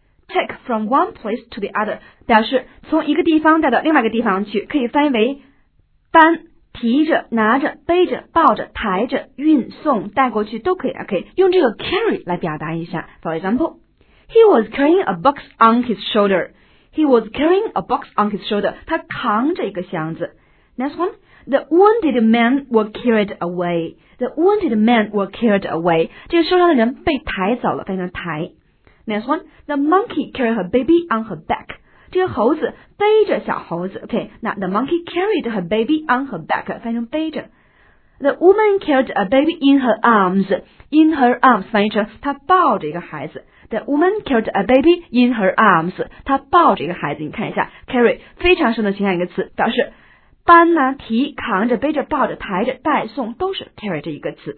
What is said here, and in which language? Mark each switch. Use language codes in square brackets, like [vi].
[en] Take from one place to the other [zh] 表示从一个地方带到另外一个地方去，可以翻译为搬、提着、拿着、背着、抱着、抬着、运送、带过去都可以。 [en] OK, [zh] 用这个 [en] carry [zh] 来表达一下。 [en] For example, He was carrying a box on his shoulder. He was carrying a box on his shoulder. [zh] 他扛着一个箱子。 [en] Next one, The wounded man was carried away. The wounded man was carried away. [zh] 这个受伤的人被抬走了，翻译成抬。 [en] Next one, the monkey carried her baby on her back. [zh] 这个猴子背着小猴子。 [en] OK, 那 the monkey carried her baby on her back, [zh] 翻译成背着。 [en] The woman carried a baby in her arms. In her arms, [zh] 翻译成她抱着一个孩子。 [en] The woman carried a baby in her arms. [zh] 她抱着一个孩子。你看一下 carry, 非常生动形象一个词，表示搬啊、提、扛着、背着、抱着、抬着、带送，都是 carry 这一个词。